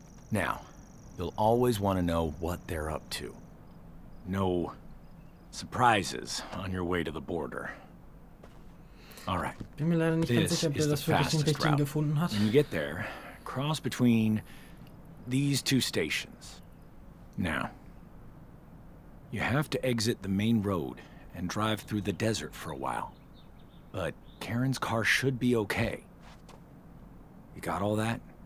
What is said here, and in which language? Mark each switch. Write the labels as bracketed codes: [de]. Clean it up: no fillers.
[en] Now, you'll always want to know what they're up to. No surprises on your way to the border. All right. [de] Bin mir leider nicht ganz sicher, ob der das wirklich den richtigen gefunden hat. [en] When you get there, cross between these two stations. Now, you have to exit the main road and drive through the desert for a while. But Karen's car should be okay. You got all that?